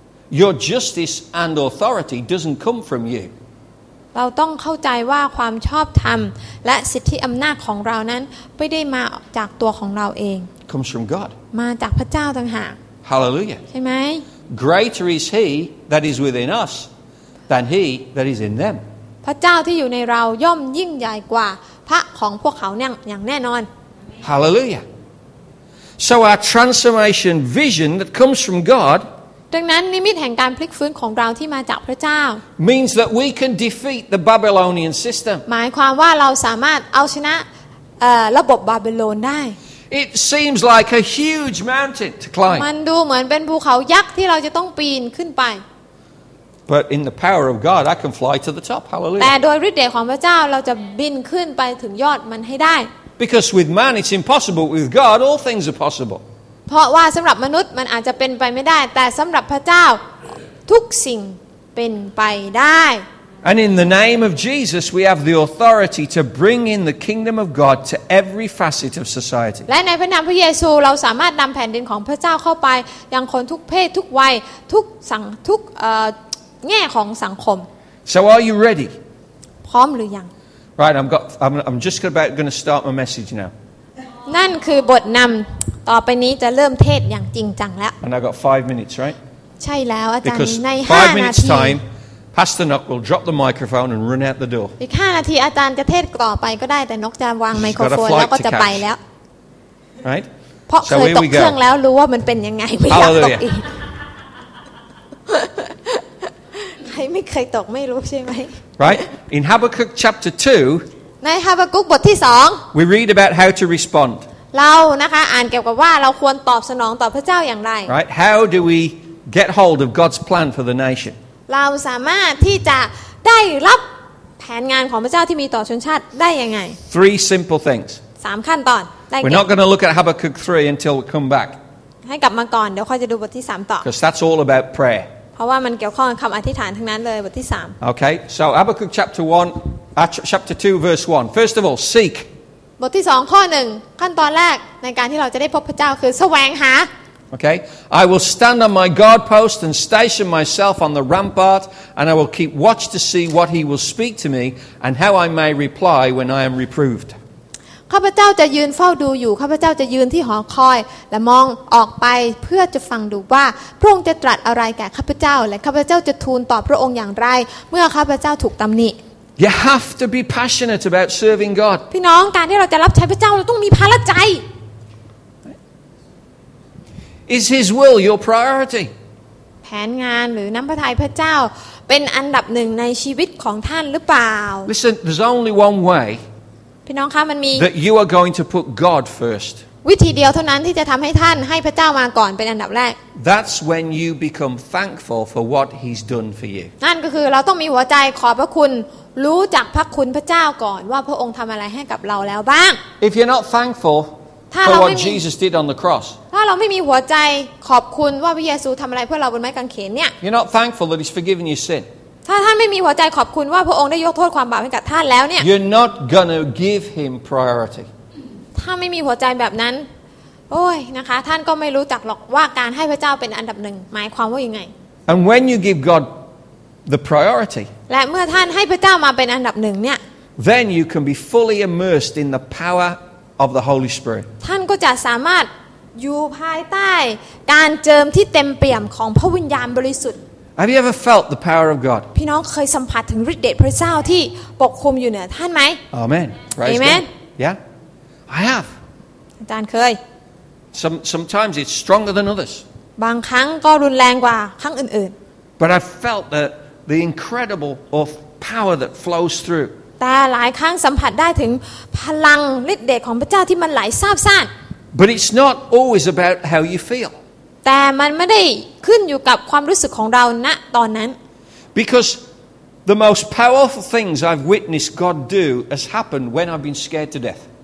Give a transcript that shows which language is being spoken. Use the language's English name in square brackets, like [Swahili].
[English] your justice and authority doesn't come from you. [Thai] เราต้องเข้าใจว่าความชอบธรรมและสิทธิอำนาจของเรานั้นไม่ได้มาจากตัวของเราเอง [English] comes from God [Thai] มาจากพระเจ้าต่างหาก [English] hallelujah [Thai] ใช่ไหม [English] greater is he that is within us than he that is in them [Thai] พระเจ้าที่อยู่ในเราย่อมยิ่งใหญ่กว่าพระของพวกเขาอย่างแน่นอน [English] hallelujah so our transformation vision that comes from God [Thai] ดังนั้นนิมิตแห่งการพลิกฟื้นของเราที่มาจากพระเจ้า [English] means that we can defeat the Babylonian system [Thai] หมายความว่าเราสามารถเอาชนะระบบบาบิโลนได้ [English] It seems like a huge mountain to climb [Thai] มันดูเหมือนเป็นภูเขายักษ์ที่เราจะต้องปีนขึ้นไป [English] But in the power of God I can fly to the top hallelujah [Thai] แต่โดยฤทธิ์เดชของพระเจ้าเราจะบินขึ้นไปถึงยอดมันให้ได้ [English] Because with man it's impossible with God all things are possible [Thai] เพราะว่าสำหรับมนุษย์มันอาจจะเป็นไปไม่ได้แต่สำหรับพระเจ้าทุกสิ่งเป็นไปได้ [English] And in the name of Jesus we have the authority to bring in the kingdom of God to every facet of society [Thai] และในพระนามพระเยซูเราสามารถนำแผ่นดินของพระเจ้าเข้าไปยังคนทุกเพศทุกวัยทุกสังทุกแง่ของสังคม [English] So are you ready [Thai] พร้อมหรือยัง [English] Right I'm just about going to start my message now [Thai] นั่นคือบทนำต่อไปนี้จะเริ่มเทศอย่างจริงจังแล้ว [English] And I got 5 minutes, right? [Thai] ใช่แล้วอาจารย์ใน5นาที [English] 5 minutes time Pastor Nock will drop the microphone and run out the door [Thai] อีก5นาทีอาจารย์จะเทศต่อไปก็ได้แต่นกจะวางไมโครโฟนแล้วก็จะไปแล้ว [English] Right? [Thai] เพราะเคยตกเครื่องแล้วรู้ว่ามันเป็นยังไงไม่อยากตกอีกใครไม่เคยตกไม่รู้ใช่มั้ย [English] Right? In Habakkuk chapter 2 [Thai] ใน Habakkuk บทที่2 [English] We read about how to respond [Thai] เรานะคะอ่านเกี่ยวกับว่าเราควรตอบสนองต่อพระเจ้าอย่างไร [English] Right how do we get hold of God's plan for the nation [Thai] เราสามารถที่จะได้รับแผนงานของพระเจ้าที่มีต่อชนชาติได้ยังไง [English] Three simple things [Thai] 3ขั้นตอนได้แก่ [English] We're not going to look at Habakkuk 3 until we come back [Thai] ให้กลับมาก่อนเดี๋ยวค่อยจะดูบทที่3ต่อ [English] Because that's all about prayer [Thai] เพราะว่ามันเกี่ยวข้องกับคำอธิษฐานทั้งนั้นเลยบทที่3 [English] Okay so Habakkuk chapter 1 chapter 2 verse 1 First of all seek [Thai] บทที่2ข้อ1ขั้นตอนแรกในการที่เราจะได้พบพระเจ้าคือแสวงหา [English] Okay I will stand on my guard post and station myself on the rampart and I will keep watch to see what he will speak to me and how I may reply when I am reproved [Thai] ข้าพเจ้าจะยืนเฝ้าดูอยู่ข้าพเจ้าจะยืนที่หอคอยและมองออกไปเพื่อจะฟังดูว่าพระองค์จะตรัสอะไรแก่ข้าพเจ้าและข้าพเจ้าจะทูลตอบพระองค์อย่างไรเมื่อข้าพเจ้าถูกตำหนิ [English] You have to be passionate about serving God. [Thai] พี่น้องการที่เราจะรับใช้พระเจ้าเราต้องมีภาระใจ [English] Is His will your priority? [Thai] แผนงานหรือน้ำพระทัยพระเจ้าเป็นอันดับหนึ่งในชีวิตของท่านหรือเปล่า [English] Listen, there's only one way. [Thai] พี่น้องคะมันมี [English] That you are going to put God first. [Thai] วิธีเดียวเท่านั้นที่จะทำให้ท่านให้พระเจ้ามาก่อนเป็นอันดับแรก [English] That's when you become thankful for what He's done for you. [Thai] นั่นก็คือเราต้องมีหัวใจขอบพระคุณรู้จักพระคุณพระเจ้าก่อนว่าพระองค์ทำอะไรให้กับเราแล้วบ้าง [English] If you're not thankful for what Jesus did on the cross [Thai] ถ้าเราไม่มีหัวใจขอบคุณว่าพระเยซูทำอะไรเพื่อเราบนไม้กางเขนเนี่ย [English] You're not thankful that He's forgiven your sin [Thai] ถ้าท่านไม่มีหัวใจขอบคุณว่าพระองค์ได้ยกโทษความบาปให้กับท่านแล้วเนี่ย [English] You're not gonna give Him priority [Thai] ถ้าไม่มีหัวใจแบบนั้นโอ้ยนะคะท่านก็ไม่รู้จักหรอกว่าการให้พระเจ้าเป็นอันดับหนึ่งหมายความว่ายังไง [English] And when you give GodThe priority. [Thai] และเมื่อท่านให้พระเจ้ามาเป็นอันดับหนึ่งเนี่ย [English] Then you can be fully immersed in the power of the Holy Spirit. [Thai] ท่านก็จะสามารถอยู่ภายใต้การเจิมที่เต็มเปี่ยมของพระวิญญาณบริสุทธิ์ [English] Have you ever felt the power of God? [Thai] พี่น้องเคยสัมผัสถึงฤทธิ์เดชพระเจ้าที่ปกคลุมอยู่เหนือท่านไหม [English] Amen. Praise Amen. God. Yeah, I have. [Thai] อาจารย์เคย [English] Sometimes it's stronger than others. [Thai] บางครั้งก็รุนแรงกว่าครั้งอื่น [English] ๆ But I felt thatThe incredible of power that flows through. [Thai] แต่หลายครั้งสัมผัสได้ถึงพลังฤทธิ์เดชของพระเจ้าที่มันไหลซาบซ่าน [English] But it's not always about how you feel. [Thai] แต่มันไม่ได้ขึ้นอยู่กับความรู้สึกของเราณตอนนั้น [English] Because the most powerful things I've witnessed God do has happened when I've been scared to death.